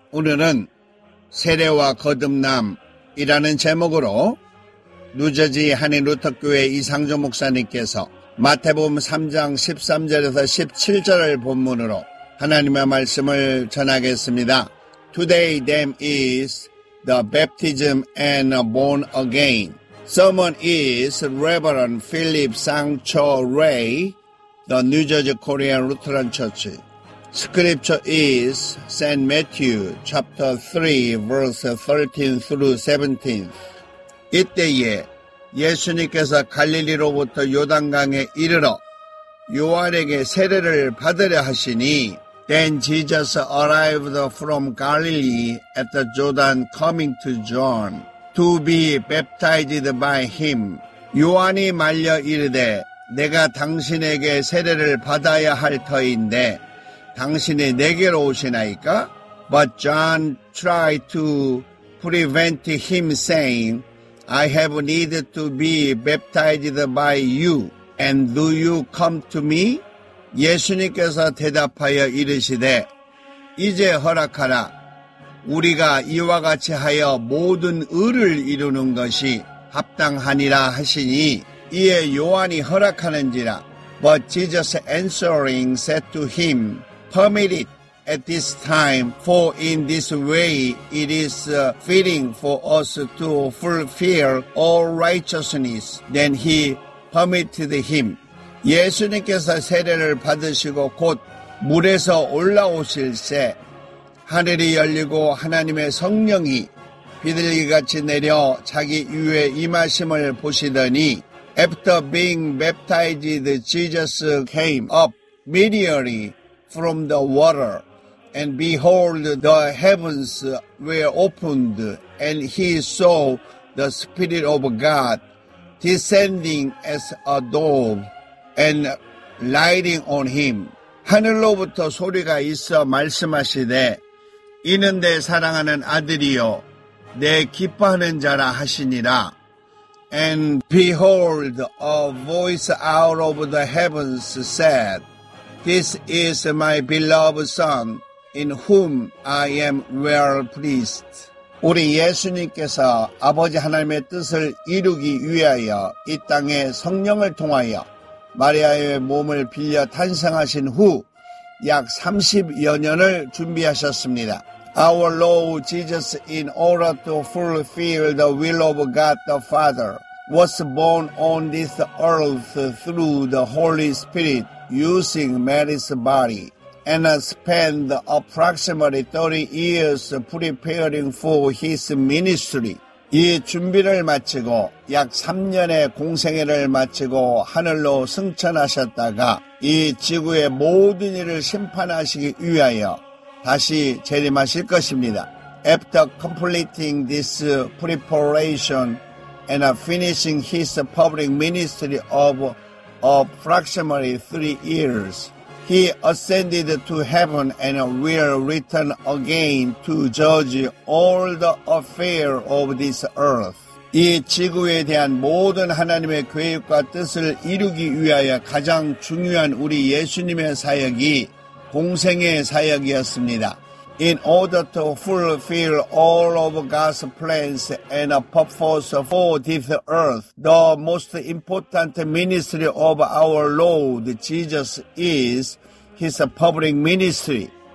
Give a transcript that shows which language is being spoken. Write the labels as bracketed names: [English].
[Korean] 오늘은 세례와 거듭남이라는 제목으로 뉴저지 한인 루터교회 이상조 목사님께서 마태복음 3장 13절에서 17절을 본문으로 하나님의 말씀을 전하겠습니다. [English] Today them is the baptism and born again. Someone is Reverend Philip Sangcho Ray, the New Jersey Korean Lutheran Church. Scripture is St. Matthew chapter 3 verse 13 through 17. [Korean] 이때에 예수님께서 갈릴리로부터 요단강에 이르러 요한에게 세례를 받으려 하시니 [English] Then Jesus arrived from Galilee at the Jordan coming to John to be baptized by him. [Korean] 요한이 말려 이르되 내가 당신에게 세례를 받아야 할 터인데 당신이 내게로 오시나이까? [English] But John tried to prevent him saying, I have need to be baptized by you, and do you come to me? [Korean] 예수님께서 대답하여 이르시되, 이제 허락하라. 우리가 이와 같이 하여 모든 의를 이루는 것이 합당하니라 하시니, 이에 요한이 허락하는지라. [English] But Jesus answering said to him, Permit it at this time, for in this way it is fitting for us to fulfill all righteousness. Then he permitted him. [Korean] 예수님께서 세례를 받으시고 곧 물에서 올라오실 새 하늘이 열리고 하나님의 성령이 비둘기같이 내려 자기 위에 임하심을 보시더니 [English] After being baptized, Jesus came up immediately from the water, and behold, the heavens were opened, and he saw the Spirit of God descending as a dove and lighting on him. [Korean] 하늘로부터 소리가 있어 말씀하시되, 이는 내 사랑하는 아들이요, 내 기뻐하는 자라 하시니라. [English] And behold, a voice out of the heavens said, This is my beloved son, in whom I am well pleased. [Korean] 우리 예수님께서 아버지 하나님의 뜻을 이루기 위하여 이 땅에 성령을 통하여 마리아의 몸을 빌려 탄생하신 후 약 30여 년을 준비하셨습니다. [English] Our Lord Jesus, in order to fulfill the will of God the Father, was born on this earth through the Holy Spirit. Using Mary's body and spent approximately 30 years preparing for his ministry. [Korean] 이 준비를 마치고 약 3년의 공생애를 마치고 하늘로 승천하셨다가 이 지구의 모든 일을 심판하시기 위하여 다시 재림하실 것입니다. [English] After completing this preparation and finishing his public ministry of approximately 3 years, he ascended to heaven and will return again to judge all the affairs of this earth. [Korean] 이 지구에 대한 모든 하나님의 계획과 뜻을 이루기 위하여 가장 중요한 우리 예수님의 사역이 공생의 사역이었습니다. [English] In order to fulfill all of God's plans and purpose for this earth, the most important ministry of our Lord Jesus is his public ministry.